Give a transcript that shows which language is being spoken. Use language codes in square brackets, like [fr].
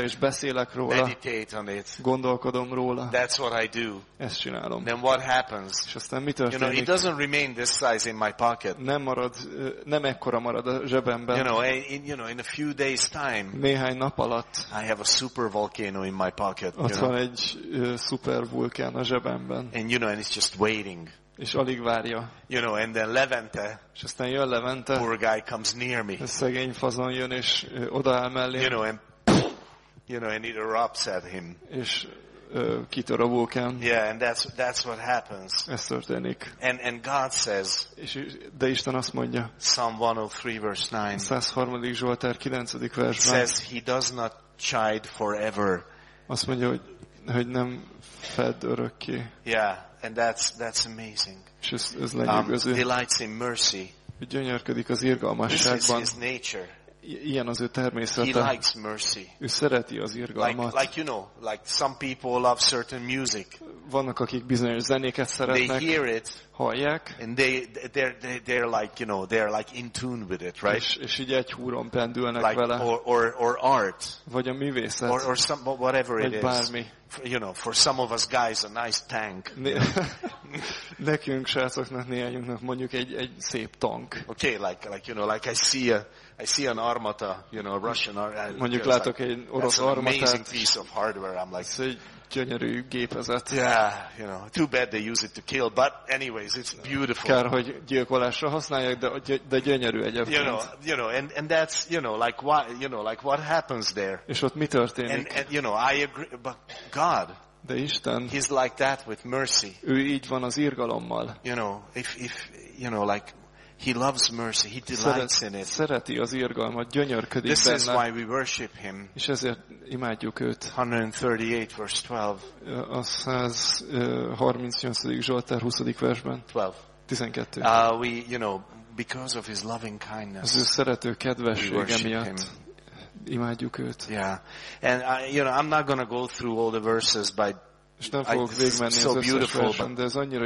[en] it. [hu] És beszélek róla. [en] Meditate on it. [hu] Gondolkodom róla. [en] That's what I do. [hu] Ezt csinálom. [en] Then what happens? [hu] És aztán mi történik? [en] You know, it doesn't remain this size in my pocket. [hu] Nem ekkora marad a zsebemben. [en] In a few days time. [hu] Néhány nap alatt. [en] I have a super volcano in my pocket. [hu] Ott van egy szuper vulkán a zsebemben. [en] And you know, and it's just waiting. [hu] És alig várja. [en] You know, and then Levente. [hu] És aztán jön Levente. [en] Poor guy comes near me. [hu] A szegény fazon jön és odaáll mellé. [en] You know, and it erupts at him. [hu] És kitör a vulkán. [en] Yeah, and that's what happens. [hu] Ez történik. [en] And God says. [hu] És de Isten azt mondja. [en] Psalm 103 verse 9. [hu] 103. Zsoltár 9. versben. [en] Says he does not chide forever. [hu] Azt mondja, hogy nem fed örökké. [en] Yeah, and that's amazing. [hu] És ez lenyűgöző. [en] Delights in mercy. [hu] Gyönyörködik az irgalmasságban. [en] This is his nature. [hu] ilyen az ő természete. [en] He likes mercy. [hu] Ő szereti az irgalmat. [en] Like you know, like some people love certain music. [hu] Vannak akik bizonyos zenéket szeretnek. [en] They hear it. [hu] Hallják. [en] And they're like, you know, they're like in tune with it, right? [hu] És így egy húron pendülnek [en] like, [hu] vele. [en] Or art. [hu] Vagy a művészet. [en] Or some whatever [hu] vagy [en] it [hu] bármi. [en] Is. You know, for some of us guys, a nice tank. [hu] Nekünk srácoknak, néhányunknak mondjuk egy szép tank. [en] Okay, like you know, like I see an armata, you know, a Russian armata. [hu] Mondjuk látok [en] like, [hu] egy orosz armatát. [en] Amazing piece of hardware. I'm like, [hu] ez egy gyönyörű gépezet. [en] Yeah, you know, too bad they use it to kill, but anyways, it's beautiful. [hu] Kár, hogy gyilkolásra használják, de gyönyörű egyébként. [en] You know, and that's, you know, like why, you know, like what happens there? [hu] És ott mi történik? [en] And you know, I agree, but God. [hu] De Isten. [en] He's like that with mercy. [hu] Ő így van az irgalommal. [en] You know, if you know, like. He loves mercy. He delights in it. [hu] Szereti az irgalmat, gyönyörködik benne. [en] This is why we worship him. [hu] És ezért imádjuk őt. [en] 138 verse 12. [hu] A 138. Zsoltár 20. versben. 12. [en] We, you know, because of his loving kindness. [hu] Az ő szerető kedvessége miatt. Imádjuk őt. [en] Yeah. And you know, I'm not going to go through all the verses by [hu] és nem fogok végigmenni [en] so [hu] az összes versen, de ez annyira